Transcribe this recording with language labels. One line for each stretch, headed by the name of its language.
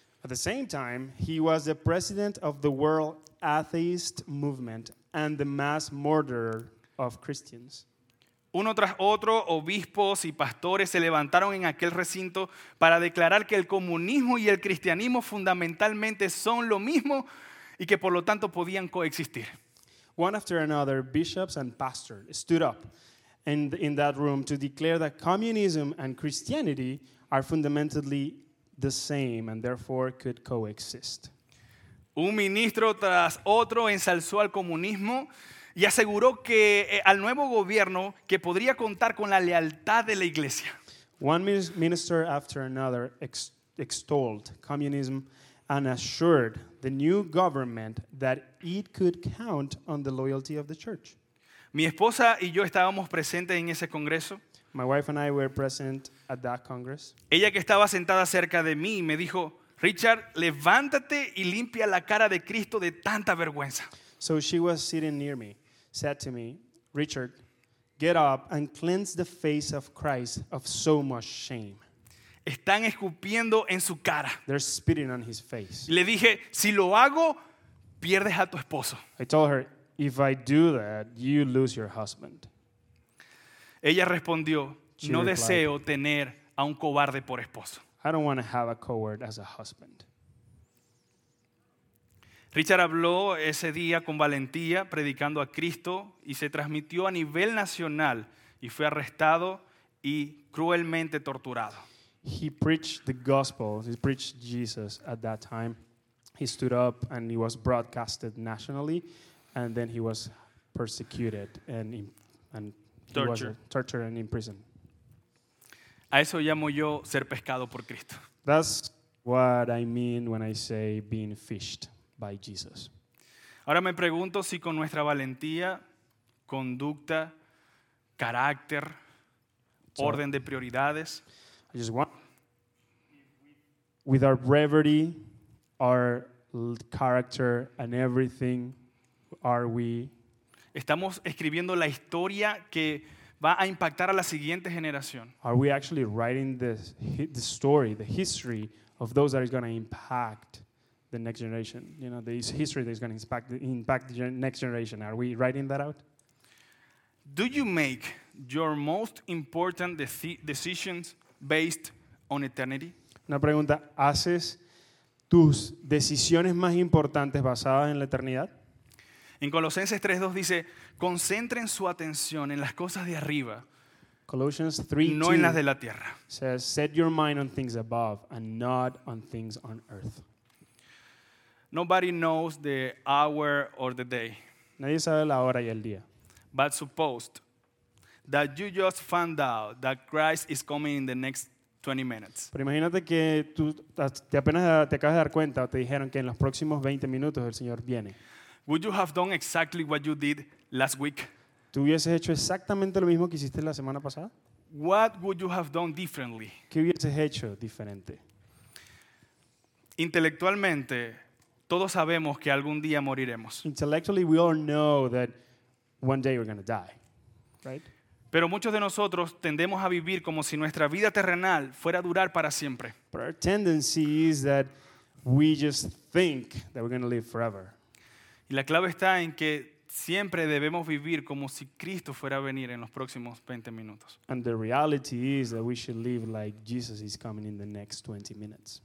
English: At the same time, he was the president of the world atheist movement and the mass murderer of Christians.
Spanish: Uno tras otro, obispos y pastores se levantaron en aquel recinto para declarar que el comunismo y el cristianismo fundamentalmente son lo mismo y que por lo tanto podían coexistir.
English: One after another, bishops and pastors stood up in that room to declare that communism and Christianity are fundamentally the same and therefore could coexist.
Spanish: Un ministro tras otro ensalzó al comunismo y aseguró que al nuevo gobierno que podría contar con la lealtad de la iglesia.
English: One minister after another extolled communism and assured the new government that it could count on the loyalty of the church.
Spanish: Mi esposa y yo estábamos presentes en ese congreso.
English: My wife and I were present at that congress.
Spanish: Ella que estaba sentada cerca de mí me dijo, "Richard, levántate y limpia la cara de Cristo de tanta vergüenza."
English: So she was sitting near me, said to me, "Richard, get up and cleanse the face of Christ of so much shame."
Spanish: Están escupiendo en su cara.
English: They're spitting on his face.
Spanish: Le dije, "Si lo hago, pierdes a tu esposo."
English: I told her, "If I do that, you lose your husband."
Spanish: Ella respondió, "No replied, deseo tener a un cobarde por esposo."
English: I don't want to have a coward as a husband.
Spanish: Richard habló ese día con valentía, predicando a Cristo, y se transmitió a nivel nacional, y fue arrestado y cruelmente torturado.
English: He preached the gospel, he preached Jesus at that time. He stood up and he was broadcasted nationally, and then he was persecuted and tortured and imprisoned.
Spanish: A eso llamo yo ser pescado por Cristo.
English: That's what I mean when I say being fished by Jesus.
Spanish: Ahora me pregunto si con nuestra valentía, conducta, carácter, orden de prioridades,
English: I just want, with our bravery, our character, and everything, are we
Spanish: Estamos escribiendo la historia que va a impactar a la siguiente generación.
English: Are we actually writing the story, the history of those that is going to impact the next generation? You know, the history that is going to impact the next generation. Are we writing that out? Do you make your most important decisions based on eternity?
Spanish: Una pregunta, ¿haces tus decisiones más importantes basadas en la eternidad? En Colosenses 3:2 dice, concentren su atención en las cosas de arriba,
English: Colossians 3:2,
Spanish: no en las de la tierra.
English: Says, set your mind on things above and not on things on earth. Nobody knows the hour or the day.
Spanish: Nadie sabe la hora y el día.
English: But suppose that you just found out that Christ is coming in the next 20 minutes.
Spanish: Pero imagínate que tú apenas te acabas de dar cuenta o te dijeron que en los próximos 20 minutos el Señor viene.
English: Would you have done exactly what you did last week?
Spanish: ¿Tú hubieses hecho exactamente lo mismo que hiciste la semana pasada?
English: What would you have done differently?
Spanish: ¿Qué hubieses hecho diferente? Intelectualmente, todos sabemos que algún día moriremos.
English: Intellectually, we all know that one day we're going to die, right?
Spanish: Pero muchos de nosotros tendemos a vivir como si nuestra vida terrenal fuera a durar para siempre.
English: But our tendency is that we just think that we're going to live forever.
Spanish: Y la clave está en que siempre debemos vivir como si Cristo fuera a venir en los próximos 20 minutos.
English: And the reality is that we should live like Jesus is coming in the next 20 minutes.